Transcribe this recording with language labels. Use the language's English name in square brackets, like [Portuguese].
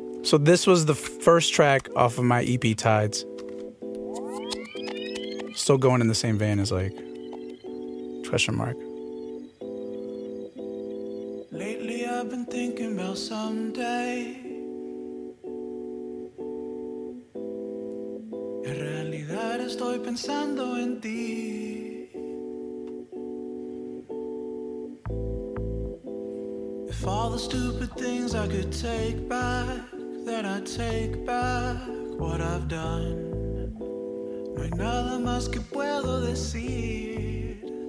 [English] So, this was the first track off of my EP, Tides. Still going in the same vein as like question mark. Lately I've been thinking about someday. [Spanish] En realidad estoy pensando en ti. [English] If all the stupid things I could take back, then I'd take back what I've done. [Spanish] No hay nada más que puedo decir.